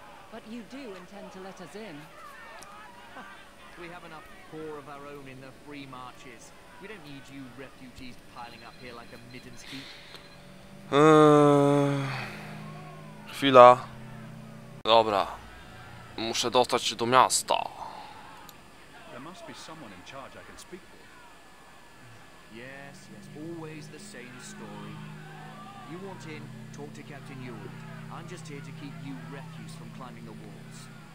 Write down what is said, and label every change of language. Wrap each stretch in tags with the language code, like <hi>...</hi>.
<en>But you do intend to let us in. We have enough poor of our own in the free marches. We don't need you refugees piling up here like a midden's heap.</en> <pl>Chwila. Dobra. Muszę dostać się do miasta.</pl> <en>There must be someone in charge I can speak with. Yes, yes, always the same story. You want in, talk to Captain Ewald. I'm just here to keep you refuse from climbing the walls.</en>